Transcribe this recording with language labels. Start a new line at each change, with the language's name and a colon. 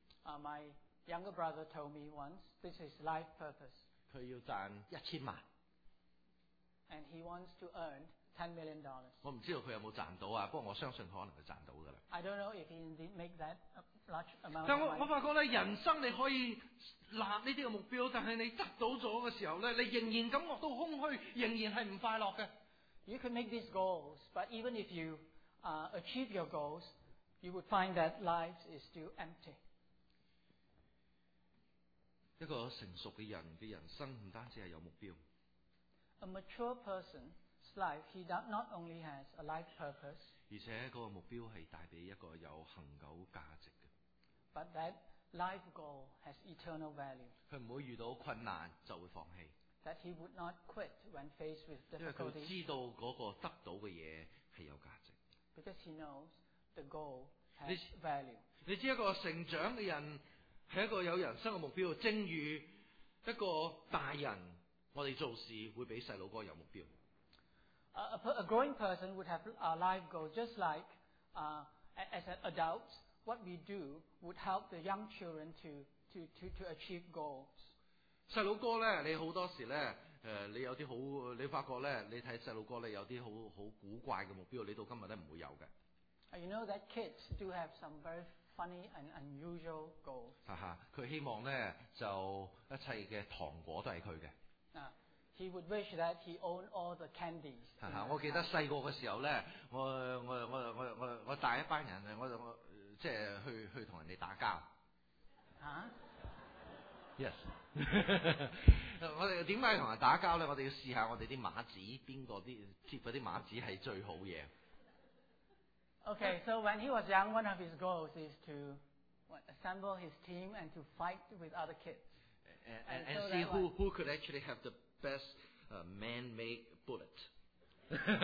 English: My younger brother told me once, this is life purpose.
Cantonese: 佢要赚1,000,000。
English: And he wants to earn. $10 million.
Cantonese: 我唔知道佢有冇賺到啊，不過我相信可能佢賺到噶啦。
English: I don't know if he did make that large amount.
Cantonese: 但我發覺咧，人生你可以立呢啲嘅目標，但係你得到咗嘅時候咧，你仍然感覺到空虛，仍然係唔快樂嘅。
English: You can make these goals, but even if you achieve your goals, you would find that life is still empty.
Cantonese: 一個成熟嘅人嘅人生唔單止係有目標。
English: A mature person. Life, he not only has a life purpose,
Cantonese: 而且嗰个目标系带俾一个有恒久价值嘅。
English: But that life goal has eternal value.
Cantonese: 佢唔会遇到困难就会放弃。
English: That he would not quit when faced with difficulty.
Cantonese: 因为佢知道嗰个得到嘅嘢系有价值。
English: Because he knows the goal has value.
Cantonese: 你知一个成长嘅人系一个有人生嘅目标，正如一个大人，我哋做事会比细佬哥有目标。
English: A growing person would have a life goal, just like as an adult, what we do would help the young children to achieve goals.
Cantonese: 細佬哥咧，你好多時咧，你有啲好，你發覺咧，你睇細路哥咧有啲好好古怪嘅目標，你到今日咧唔會有嘅。
English: You know that kids do have some very funny and unusual goals.
Cantonese: 哈哈，佢希望咧就一切嘅糖果都係佢嘅。
English: He would wish that he owned all the candies.
Cantonese: 哈哈，我記得細個嘅時候咧，我帶一班人，我即係去同人哋打交。嚇？
English: Yes，
Cantonese: 我哋點解同人打交呢？我哋要試下我哋啲馬子，邊個啲接嗰啲馬子係最好嘢。
English: Okay, so when he was young, one of his goals is to assemble his team and to fight with other kids. And see who could actually have the best man-made bullet.